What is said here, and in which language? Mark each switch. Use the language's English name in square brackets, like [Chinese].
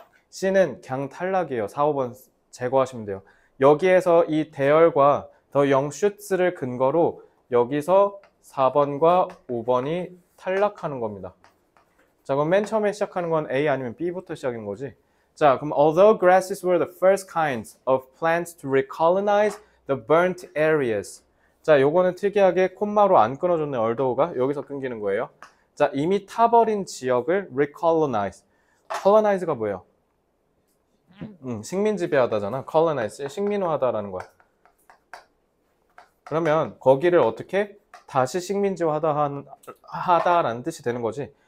[Korean] C는 그냥 탈락이에요. 4, 5번 제거하시면 돼요. 여기에서 이 대열과 더영 슈츠를 근거로 여기서 4번과 5번이 탈락하는 겁니다. 자, 그럼 맨 처음에 시작하는 건 A 아니면 B부터 시작인 거지. 자, 그럼 [English] although grasses were the first kinds of plants to recolonize the burnt areas. [Korean] 자, 요거는 특이하게 콤마로 안 끊어줬네. although가 여기서 끊기는 거예요. 자, 이미 타버린 지역을 recolonize. colonize가 뭐예요? 식민 지배하다잖아. colonize, 식민화하다라는 거야. 그러면 거기를 어떻게 다시 식민지화하다라는 뜻이 되는 거지.